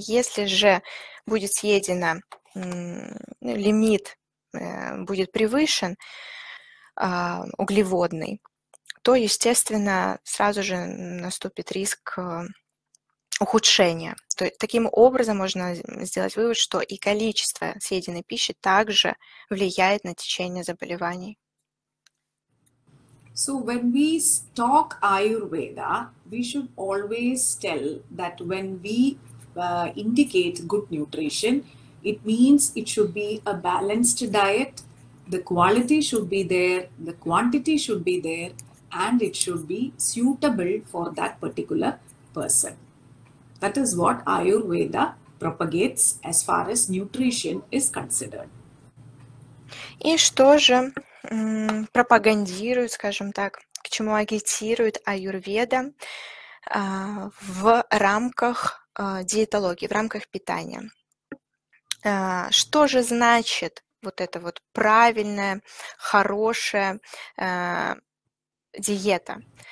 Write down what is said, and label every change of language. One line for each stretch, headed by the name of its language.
Russian: Если же будет съедено лимит, будет превышен углеводный, то, естественно, сразу же наступит риск ухудшения. То есть, таким образом можно сделать вывод, что и количество съеденной пищи также влияет на течение заболеваний.
English: So when we talk Ayurveda, we should always tell that when we indicate good nutrition, it means it should be a balanced diet, the quality should be there, the quantity should be there, and it should be suitable for that particular person. That is what Ayurveda propagates as far as nutrition is considered.
Russian: И что же пропагандирует, скажем так, к чему агитирует Аюрведа в рамках диетологии, в рамках питания? Что же значит вот эта вот правильная, хорошая диета?